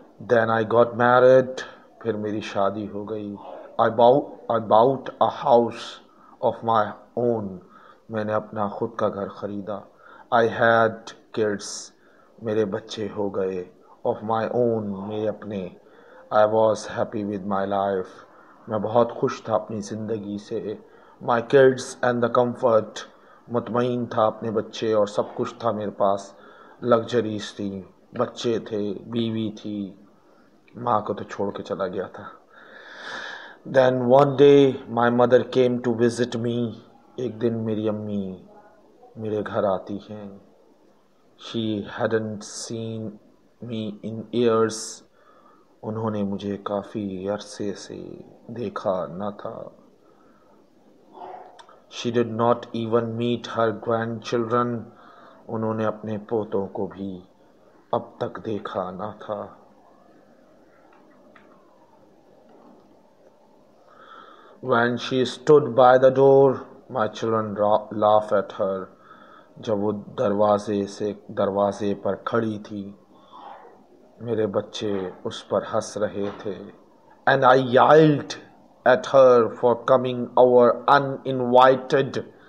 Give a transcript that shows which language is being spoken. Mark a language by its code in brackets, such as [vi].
[en] Then I got married, [hi] फिर मेरी शादी हो गई. [en] I bought a house of my own, [hi] मैंने अपना खुद का घर खरीदा. [en] I had kids, [hi] मेरे बच्चे हो गए. [en] Of my own, [hi] मेरे अपने. [en] I was happy with my life, [hi] मैं बहुत खुश था अपनी ज़िंदगी से. [en] My kids and the comfort, [hi] मुतमईन था अपने बच्चे और सब कुछ था मेरे पास. लग्जरीज थी, बच्चे थे, बीवी थी. माँ को तो छोड़ के चला गया था. [en] Then one day my mother came to visit me, [hi] एक दिन मेरी अम्मी मेरे घर आती हैं. [en] She hadn't seen me in years, [hi] उन्होंने मुझे काफ़ी अरसे से देखा ना था. [en] She did not even meet her grandchildren, [hi] उन्होंने अपने पोतों को भी अब तक देखा ना था. [en] When she stood by the door, my children laugh at her. [hi] जब वो दरवाजे पर खड़ी थी, मेरे बच्चे उस पर हंस रहे थे. [en] And I yelled at her for coming over uninvited.